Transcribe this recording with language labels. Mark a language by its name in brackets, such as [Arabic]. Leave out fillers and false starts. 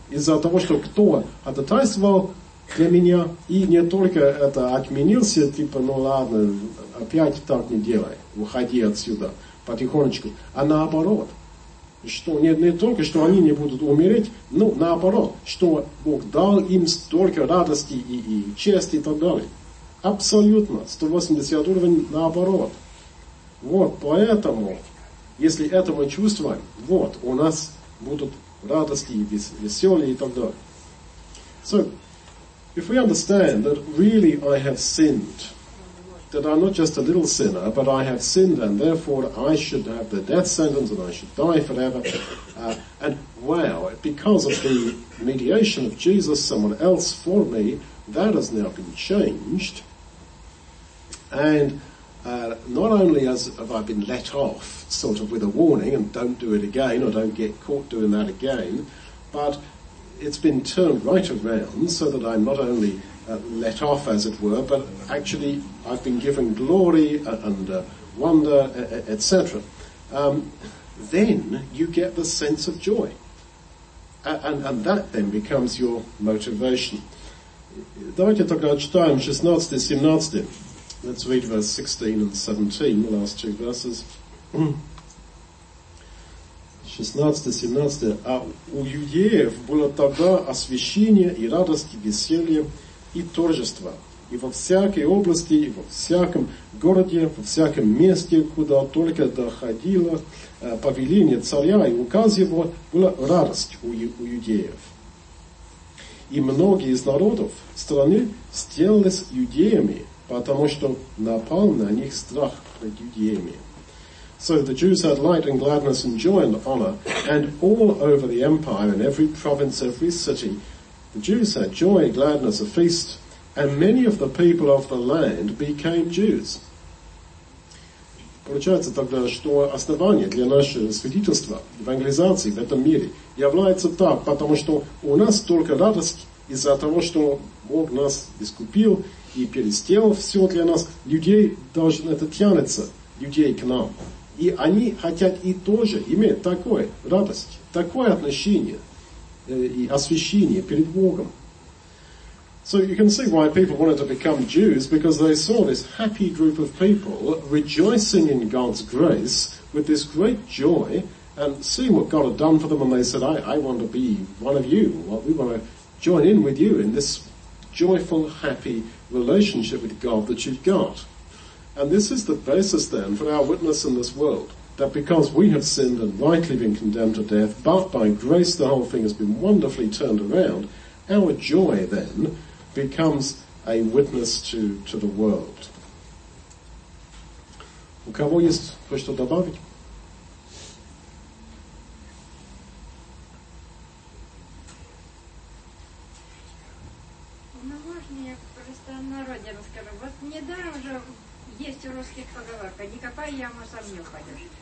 [Russian] Из-за того, что кто ходатайствовал для меня, и не только это отменился, типа, ну ладно, опять так не делай, уходи отсюда потихонечку, а наоборот, что не только, что они не будут умереть, но наоборот, что Бог дал им столько радости и чести и так далее. Абсолютно, 180 уровень наоборот. Вот поэтому, если это мы чувствуем, вот, у нас будут радости, веселье и так далее. [English] So, if we understand that really I have sinned, that I'm not just a little sinner, but I have sinned and therefore I should have the death sentence and I should die forever, and wow, because of the mediation of Jesus, someone else for me, that has now been changed. And not only have I been let off, sort of with a warning, and don't do it again, or don't get caught doing that again, but it's been turned right around so that I'm not only let off, as it were, but actually I've been given glory and wonder, etc. Then you get the sense of joy. And that then becomes your motivation. [Russian] Давайте тогда читаем 16-17. [English] Let's read verse 16 and 17, the last two verses. [Russian] 16-17. А у иудеев было тогда освящение и радость, и веселье, и торжество. И во всякой области, и во всяком городе, во всяком месте, куда только доходило повеление царя и указ его, была радость у иудеев. И многие из народов страны сделались иудеями, потому что напал на них страх пред иудеями. [English] So the Jews had light and gladness and joy and honor, and all over the empire, in every province, every city, the Jews had joy, gladness, a feast, and many of the people of the land became Jews. [Russian] Получается тогда, что основание для нашего свидетельства, евангелизации в этом мире, является так, потому что у нас только радость из-за того, что Бог нас искупил и пересделал все для нас. Людей должны это тянуться. людей к нам. И они хотят и тоже иметь такую радость, такое отношение и освящение перед Богом. [English] So you can see why people wanted to become Jews, because they saw this happy group of people rejoicing in God's grace with this great joy and seeing what God had done for them, and they said, I want to be one of you. Well, we want to join in with you in this joyful, happy relationship with God that you've got. And this is the basis then for our witness in this world, that because we have sinned and rightly been condemned to death, but by grace the whole thing has been wonderfully turned around, our joy then becomes a witness to the world. [Russian] У кого есть кое-что добавить? Ну, можно я просто о народе расскажу? Вот недаром же есть у русских поговорка: «Не копай яму, сам не упадешь».